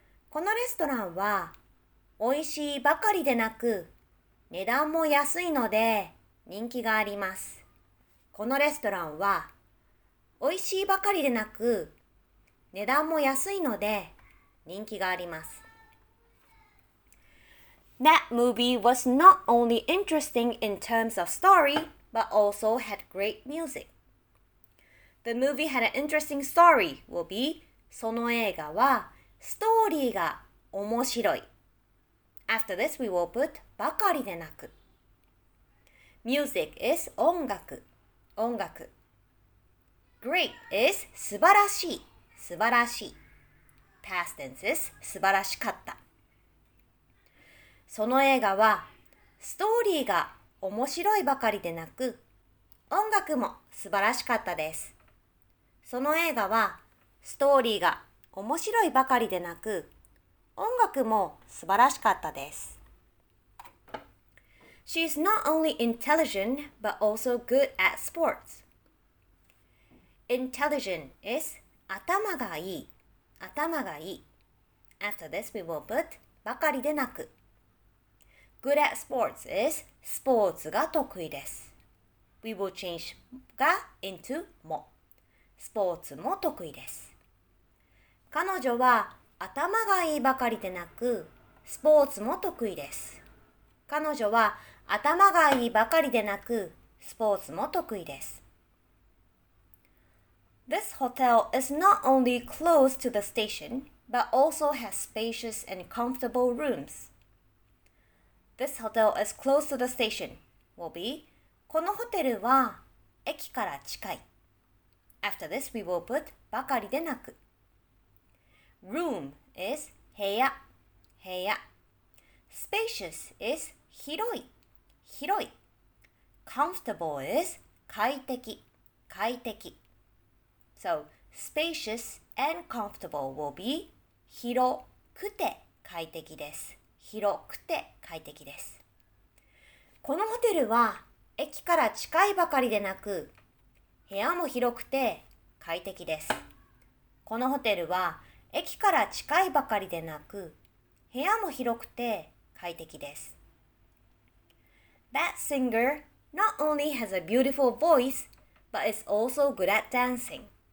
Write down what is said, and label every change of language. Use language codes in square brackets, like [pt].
[ja] このレストランは美味しいばかりでなく、値段も安いので人気があります。このレストランは美味しいばかりでなく、値段も安いので人気があります。 [en] That movie was not only interesting in terms of story, but also had great music. The movie had an interesting story will be [ja] その映画はストーリーが面白い。 [en] After this, we will put ばかりでなく。Music is 音楽。音楽。 Great is 素晴らしい。素晴らしい。Past tense is 素晴らしかった。 [ja] その映画はストーリーが面白いばかりでなく、音楽も素晴らしかったです。その映画はストーリーが面白いばかりでなく、音楽も素晴らしかったです。 [en] She is not only intelligent, but also good at sports. Intelligent is 頭がいい。頭がいい。 After this, we will put ばかりでなく。Good at sports is [ja] スポーツが得意です。 [en] We will change が into も。 [ja] スポーツも得意です。彼女は頭がいいばかりでなく、スポーツも得意です。彼女は頭がいいばかりでなく、スポーツも得意です。 [en] This hotel is not only close to the station, but also has spacious and comfortable rooms. This hotel is close to the station will be [ja] このホテルは駅から近い。 [en] After this, we will put ばかりでなく。Room is 部屋、部屋。 Spacious is 広い、広い。 Comfortable is 快適、快適。 So, spacious and comfortable will be [ja] 広くて快適です。広くて快適です。このホテルは駅から近いばかりでなく、部屋も広くて快適です。このホテルは駅から近いばかりでなく、部屋も広くて快適です。 [en] That singer not only has a beautiful voice, but is also good at dancing.